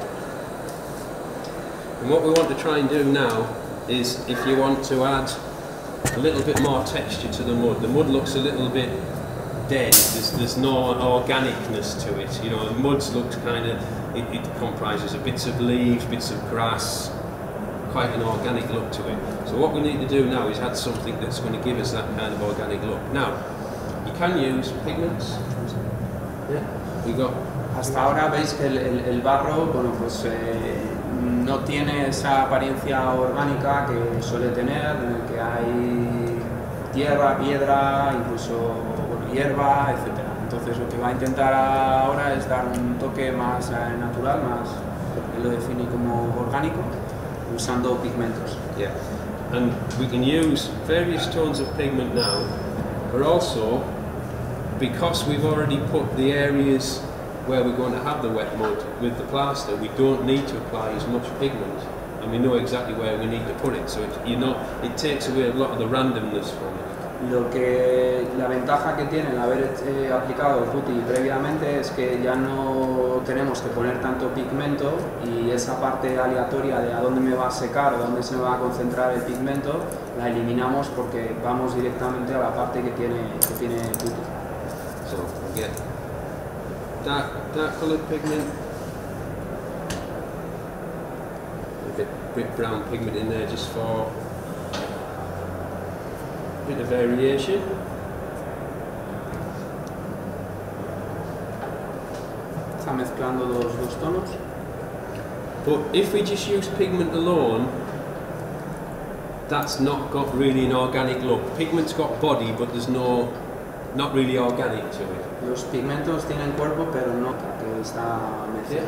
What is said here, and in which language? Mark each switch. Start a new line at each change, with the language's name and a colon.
English: And what we want to try and do now is, if you want to add a little bit more texture to the mud looks a little bit dead, there's no organicness to it. You know, the mud looks kind of, it comprises of bits of leaves, bits of grass, quite an organic look to it. So what we need to do now is add something that's going to give us that kind of organic look. Now, you can use pigments. Yeah. We got.
Spanish: Hasta ahora veis que el barro, bueno, pues no tiene esa apariencia orgánica que suele tener, en el que hay tierra, piedra, incluso hierba, etc. Entonces lo que va a intentar ahora es dar un toque más natural, más, él lo define como orgánico, usando pigmentos.
English: Yeah. And we can use various tones of pigment now, but also, because we've already put the areas where we're going to have the wet mud with the plaster, we don't need to apply as much pigment, and we know exactly where we need to put it. So it takes away a lot of the randomness from it.
Spanish: Lo que la ventaja que tiene el haber aplicado putty previamente es que ya no tenemos que poner tanto pigmento y esa parte aleatoria de a dónde me va a secar o dónde se me va a concentrar el pigmento la eliminamos porque vamos directamente a la parte que tiene putty.
English: So yeah. Dark colored pigment, a bit brown pigment in there just for a bit of variation.
Spanish: Está mezclando los dos tonos.
English: But if we just use pigment alone, that's not got really an organic look. Pigment's got body, but there's no, not really organic to it.
Spanish: Los pigmentos tienen cuerpo, pero no que está mezclado.